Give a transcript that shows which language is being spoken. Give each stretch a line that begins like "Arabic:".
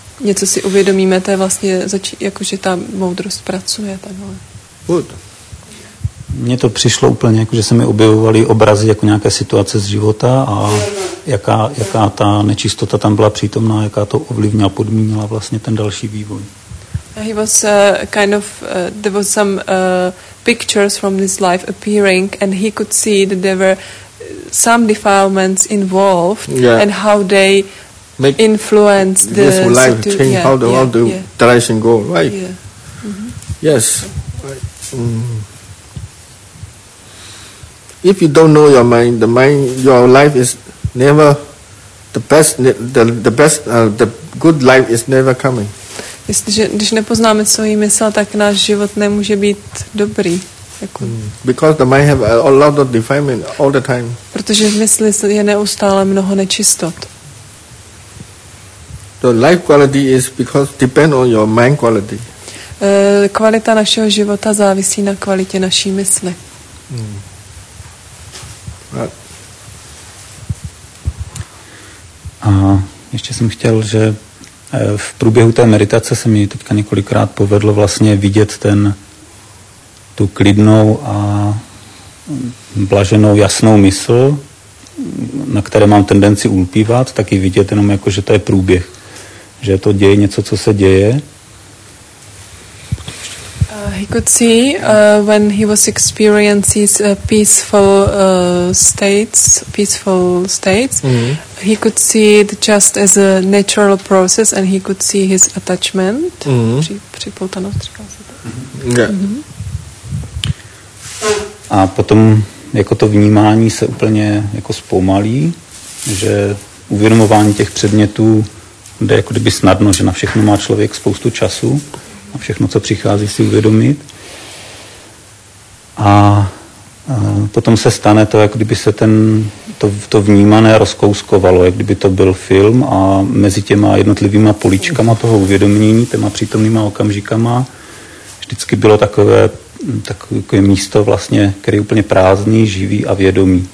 Czech: Něco si uvědomíme, to je vlastně jakože ta moudrost pracuje takhle.
English: Good.
Czech: Mně to přišlo úplně, jako, že se mi objevovaly obrazy jako nějaké situace z života a jaká ta nečistota tam byla přítomná, jaká to ovlivnila, podmínila vlastně ten další vývoj.
English: He was kind of there was some pictures from this life appearing and he could see that there were some defilements involved and how they make influence the this life change how the world tries and go right. Yeah. Mm-hmm. Yes. Right. Mm. If you don't know your mind, the mind, your life is never the best. The good life is never coming.
Czech: Jestliže, když nepoznáme svoji mysl, tak náš život nemůže být dobrý. Jako.
English: Because the mind have a lot of defilement all the time.
Czech: Protože v mysli je neustále mnoho nečistot.
English: The life quality is because depend on your mind quality.
Czech: Kvalita našeho života závisí na kvalitě naší mysli. A ještě jsem chtěl, že v průběhu té meditace se mi teďka několikrát povedlo vlastně vidět ten tu klidnou a blaženou jasnou mysl, na které mám tendenci ulpívat, tak i vidět jenom jako, že to je průběh. Že to děje něco, co se děje.
English: He could see when he was experiencing peaceful states. Mm-hmm. He could see it just as a natural process, and he could see his attachment.
Czech: Připoutanost. A potom jako to vnímání se úplně jako zpomalí, že uvědomování těch předmětů jde jako kdyby snadno, že na všechno má člověk spoustu času. A všechno, co přichází, si uvědomit. A potom se stane to, jak kdyby se to vnímané rozkouskovalo, jak kdyby to byl film a mezi těma jednotlivýma políčkama toho uvědomění, těma přítomnýma okamžikama, vždycky bylo takové místo vlastně, které je úplně prázdný, živý a vědomý.